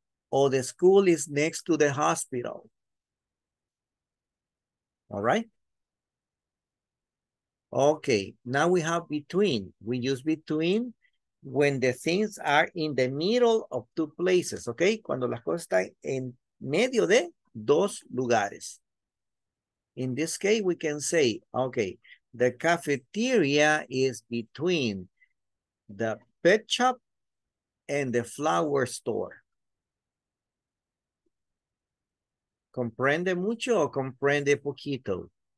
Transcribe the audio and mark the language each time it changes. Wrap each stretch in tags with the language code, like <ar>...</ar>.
<en>Or the school is next to the hospital. All right? Okay, now we have between. We use between when the things are in the middle of two places, okay?</en> <es>Cuando las cosas están en medio de dos lugares.</es> <en>In this case, we can say, okay, the cafeteria is between the pet shop and the flower store.</en> <es>¿Comprende mucho o comprende poquito?</es>